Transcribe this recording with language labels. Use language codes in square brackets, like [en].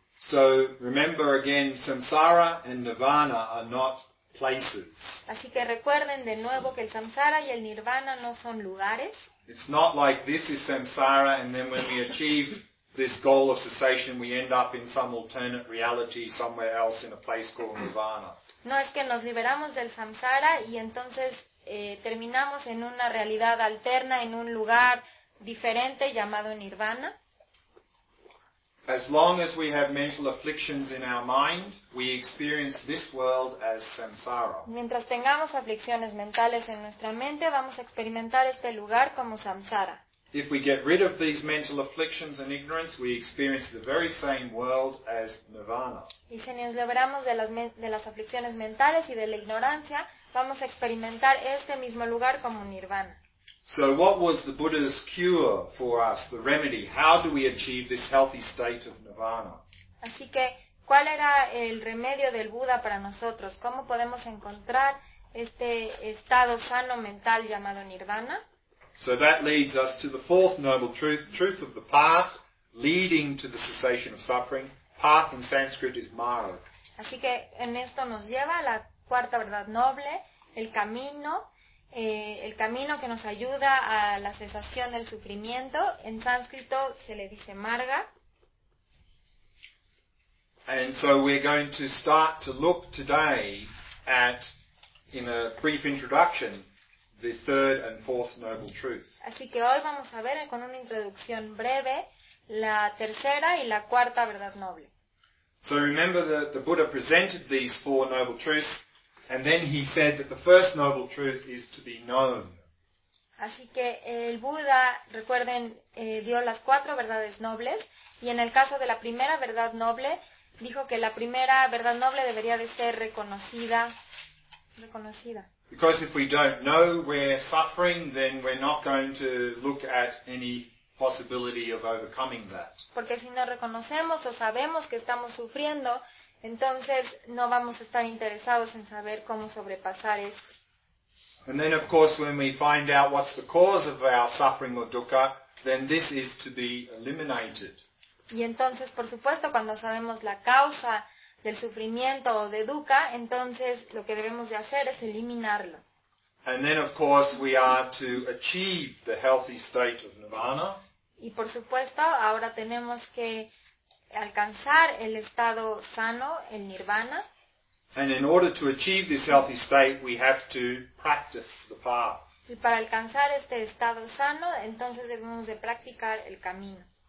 [en] So remember again, samsara and nirvana are not places. [es] Así que recuerden de nuevo que el samsara y el nirvana no son lugares. [en] It's not like this is samsara and then when we achieve this goal of cessation we end up in some alternate reality somewhere else in a place called nirvana. [es] No es que nos liberamos del samsara y entonces terminamos en una realidad alterna en un lugar diferente llamado nirvana. [en] As long as we have mental afflictions in our mind, we experience this world as samsara. [es] Mientras tengamos aflicciones mentales en nuestra mente, vamos a experimentar este lugar como samsara. [en] If we get rid of these mental afflictions and ignorance, we experience the very same world as nirvana. [es] Y si nos liberamos de las aflicciones mentales y de la ignorancia, vamos a experimentar este mismo lugar como nirvana. [en] So what was the Buddha's cure for us, the remedy? How do we achieve this healthy state of nirvana? [es] Así que, ¿cuál era el remedio del Buda para nosotros? ¿Cómo podemos encontrar este estado sano mental llamado nirvana? [en] So that leads us to the fourth noble truth, truth of the path leading to the cessation of suffering. Path in Sanskrit is marg. [es] Así que en esto nos lleva a la cuarta verdad noble, el camino. El camino que nos ayuda a la cesación del sufrimiento, en sánscrito se le dice marga. [en] And so we're going to start to look today at, in a brief introduction, the third and fourth noble truth. [es] Así que hoy vamos a ver con una introducción breve la tercera y la cuarta verdad noble. [en] So remember that the Buddha presented these four noble truths. And then he said that the first noble truth is to be known. [es] Así que el Buda, recuerden, dio las cuatro verdades nobles, y en el caso de la primera verdad noble, dijo que la primera verdad noble debería de ser reconocida. [en] Because if we don't know we're suffering, then we're not going to look at any possibility of overcoming that. [es] Porque si no reconocemos o sabemos que estamos sufriendo, entonces no vamos a estar interesados en saber cómo sobrepasar esto. [en] And then of course when we find out what's the cause of our suffering or dukkha, then this is to be eliminated. [es] Y entonces, por supuesto, cuando sabemos la causa del sufrimiento o de dukkha, entonces lo que debemos de hacer es eliminarlo. [en] And then of course we are to achieve the healthy state of nirvana. [es] Y por supuesto, ahora tenemos que alcanzar el estado sano, el nirvana. [en] And in order to achieve this healthy state, we have to practice the path. [es] Y para alcanzar este estado sano, entonces debemos de practicar el camino.